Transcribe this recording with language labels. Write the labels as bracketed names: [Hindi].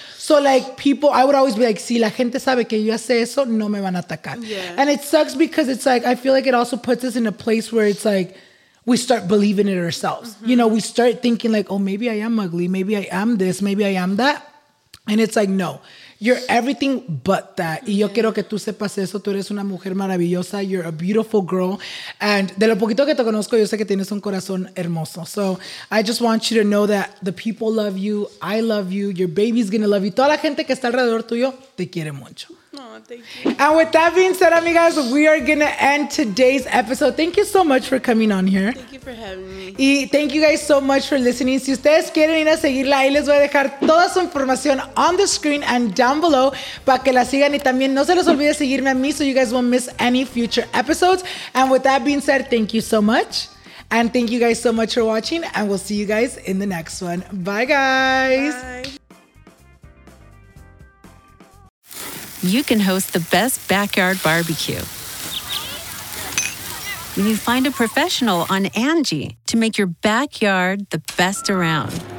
[English] So like people, I would always be like, [Spanish] si la gente sabe que yo hace eso, no me van a atacar. [English] Yeah. And it sucks because it's like, I feel like it also puts us in a place where it's like, we start believing it ourselves. Mm-hmm. You know, we start thinking like, oh, maybe I am ugly. Maybe I am this. Maybe I am that. And it's like, no, you're everything but that. [Spanish] Y yo quiero que tú sepas eso. Tú eres una mujer maravillosa. [English] You're a beautiful girl. And [Spanish] de lo poquito que te conozco, yo sé que tienes un corazón hermoso. [English] So I just want you to know that the people love you. I love you. Your baby's going to love you. [Spanish] Toda la gente que está alrededor tuyo te quiere mucho. [English] Thank you. And with that being said, amigas, we are going to end today's episode. Thank you so much for coming on here. Thank you for having me. Y thank you guys so much for listening. [Spanish] Si ustedes quieren ir a seguirla, ahí les voy a dejar toda su información [English] on the screen and down below [Spanish] para que la sigan. Y también no se les olvide seguirme a mí [English] so you guys won't miss any future episodes. And with that being said, thank you so much. And thank you guys so much for watching. And we'll see you guys in the next one. Bye, guys. Bye. You can host the best backyard barbecue when you find a professional on Angie to make your backyard the best around.